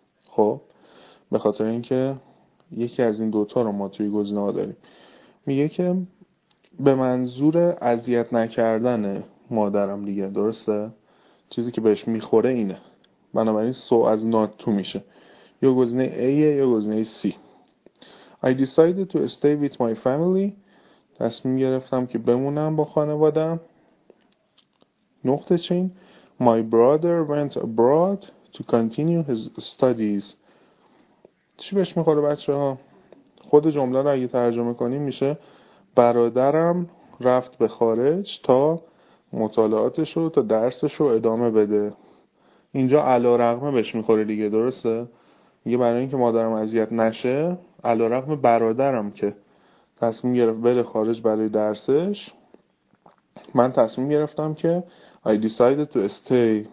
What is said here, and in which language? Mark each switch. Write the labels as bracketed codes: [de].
[fa] خب به خاطر اینکه یکی از این دوتا رو ما توی گزینه ها داریم، میگه که به منظور اذیت نکردن مادرم دیگه، درسته؟ چیزی که بهش میخوره اینه، بنابراین سو از نات تو میشه، یا گزینه A یا گزینه C. [en] I decided to stay with my family. [fa] تصمیم گرفتم که بمونم با خانوادم. نقطه چین [en] My brother went abroad to continue his studies. [fa] چی بهش میخوره بچه ها؟ خود جمله رو اگه ترجمه کنیم میشه برادرم رفت به خارج تا مطالعاتش رو، تا درسش رو ادامه بده. اینجا علارغمه بهش میخوره دیگه، درسته؟ میگه برای اینکه مادرم اذیت نشه، علارغم برادرم که تصمیم گرفت بره خارج برای درسش، من تصمیم گرفتم که [en] I decided to stay.